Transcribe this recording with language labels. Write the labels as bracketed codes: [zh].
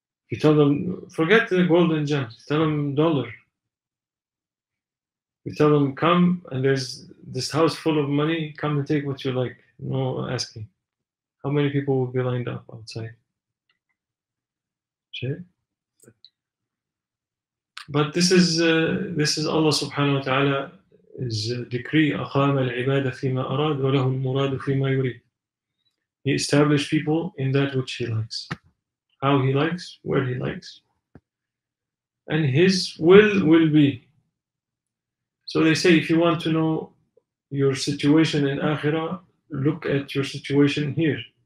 [en] You tell them, forget the golden gems, tell them dollar. You tell them, come, and there's this house full of money, come and take what you like, no asking. How many people will be lined up outside? Okay. But this is Allah subhanahu wa ta'ala is decree, [ar] أَقَامَ الْعِبَادَ فِي مَا أَرَادُ وَلَهُ الْمُرَادُ فِي مَا يُرِيدُ. [en] He established people in that which he likes, how he likes, where he likes, and his will be. So they say, if you want to know your situation in Akhirah, look at your situation here.